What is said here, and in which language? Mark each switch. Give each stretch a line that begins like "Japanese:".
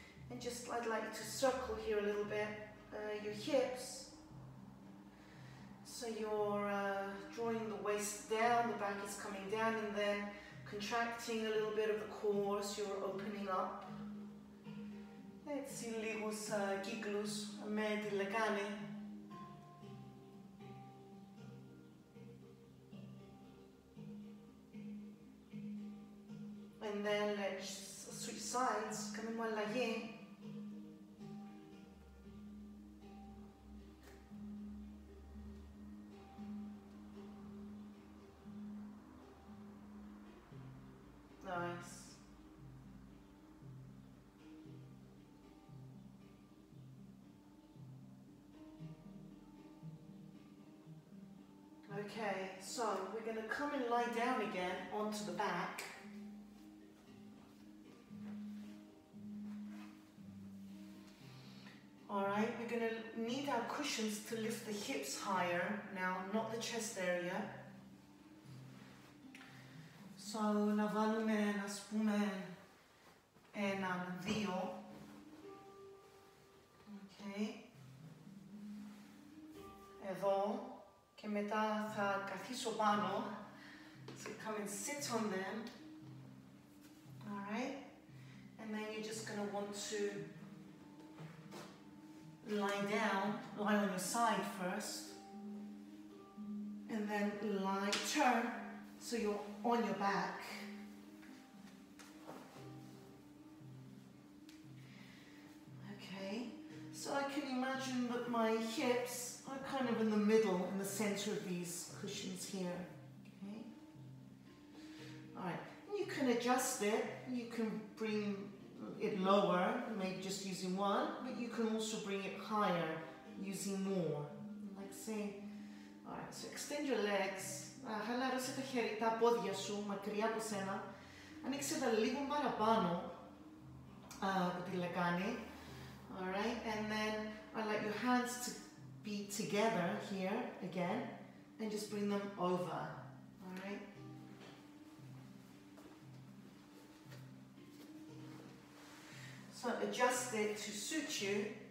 English: And just, I'd like you to circle here a little bit your hips. So you're drawing the waist down, the back is coming down, and then contracting a little bit of the core, so you're opening up.
Greek: Έτσι λίγους κύκλους με τη λεκάνη.
English: And then let's switch sides. Come on, lie. Nice. Okay, so we're going to come and lie down again onto the back. Alright, we're going to need our cushions to lift the hips higher now, not the chest area.
Greek: So, να βάλουμε, ας πούμε, έναν δύο.
English: Okay.
Greek: Εδώ. Και μετά θα καθίσω πάνω.
English: So come and sit on them. Alright. And then you're just going to want to lie down, lie on your side first, and then lie, turn, so you're on your back. Okay, so I can imagine that my hips are kind of in the middle, in the center of these cushions here. Okay. All right, you can adjust it, you can bring it lower, maybe just using one, but you can also bring it higher using more. Like say, all right, so extend your legs.
Greek: Χαλάρωσε τα χέρι, τα πόδια σου, μακριά από σένα. Ανοίξε τα λίγο παραπάνω από τη λεκάνη.
English: All right, and then I like your hands to be together here again, and just bring them over. All right. So adjust it to suit you.